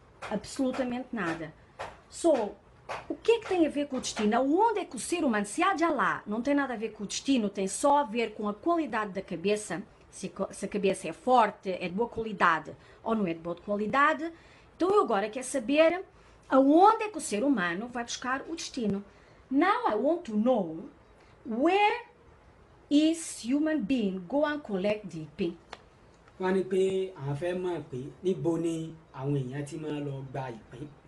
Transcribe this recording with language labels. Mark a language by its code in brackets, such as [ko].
[pt] Absolutamente nada. Só, o que é que tem a ver com o destino? Onde é que o ser humano, se Ajala não tem nada a ver com o destino, tem só a ver com a qualidade da cabeça, se a cabeça é forte, é de boa qualidade ou não é de boa qualidade. Então eu agora quero saber aonde é que o ser humano vai buscar o destino. [en] Now I want to know where is human being go and collect the pin. [yo] Wọ́n ní pé àwọn fẹ́ mọ̀ pé níbo ni àwọn èèyàn ti máa lọ gba ìpín.